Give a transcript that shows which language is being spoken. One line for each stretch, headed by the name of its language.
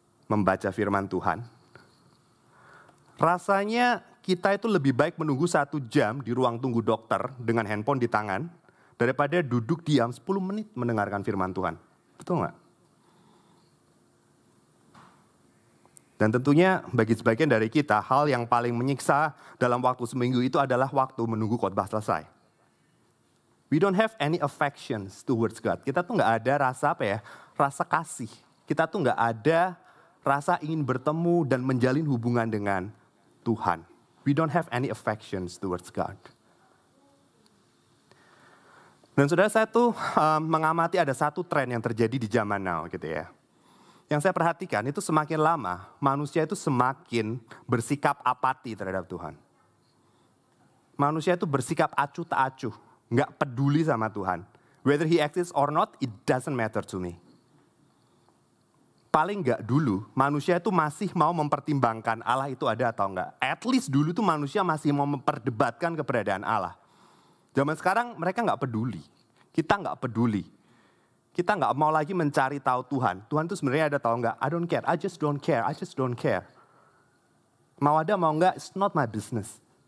Indonesian: Membaca firman Tuhan. Rasanya kita itu lebih baik menunggu 1 jam di ruang tunggu dokter dengan handphone di tangan daripada duduk diam 10 menit mendengarkan firman Tuhan. Betul enggak? Dan tentunya bagi sebagian dari kita, hal yang paling menyiksa dalam waktu seminggu itu adalah waktu menunggu khotbah selesai.
English: We don't have any affections towards God.
Indonesian: Kita tuh gak ada rasa apa ya, rasa kasih. Kita tuh gak ada rasa ingin bertemu dan menjalin hubungan dengan Tuhan.
English: We don't have any affections towards God.
Indonesian: Dan saudara, saya tuh mengamati ada satu tren yang terjadi di zaman now gitu ya. Yang saya perhatikan itu semakin lama manusia itu semakin bersikap apati terhadap Tuhan. Manusia itu bersikap acuh tak acuh, enggak peduli sama Tuhan.
English: Whether he exists or not, it doesn't matter to me.
Indonesian: Paling enggak dulu manusia itu masih mau mempertimbangkan Allah itu ada atau enggak.
English: At least
Indonesian: dulu tuh manusia masih mau memperdebatkan keberadaan Allah. Zaman sekarang mereka enggak peduli. Kita enggak peduli. Kita gak mau lagi mencari tahu Tuhan. Tuhan itu sebenarnya ada tahu gak?
English: I don't care, I just don't care, I just don't care.
Indonesian: Mau ada mau gak,
English: it's not my business.